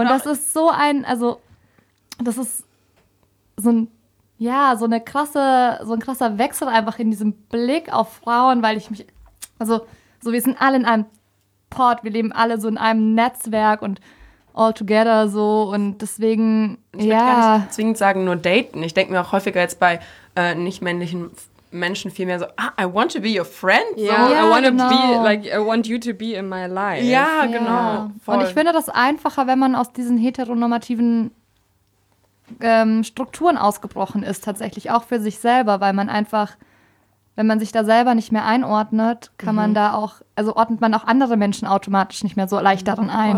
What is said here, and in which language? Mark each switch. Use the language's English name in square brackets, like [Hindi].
[German] Und das ist so ein, also, das ist so ein, ja, so eine krasse, so ein krasser Wechsel einfach in diesem Blick auf Frauen, weil ich mich, also, so wir sind alle in einem Pod, wir leben alle so in einem Netzwerk und all together so und deswegen, ich ja. Ich würde gar nicht zwingend sagen, nur daten. Ich denke mir auch häufiger jetzt bei nicht-männlichen Menschen vielmehr so, I want to be your friend. [English] Yeah. So, yeah, I want genau. to be, like, I want you to be in my life. Ja, yeah. genau. [German] Voll. Und ich finde das einfacher, wenn man aus diesen heteronormativen Strukturen ausgebrochen ist, tatsächlich auch für sich selber, weil man einfach, wenn man sich da selber nicht mehr einordnet, kann man da auch, also ordnet man auch andere Menschen automatisch nicht mehr so leicht daran ein.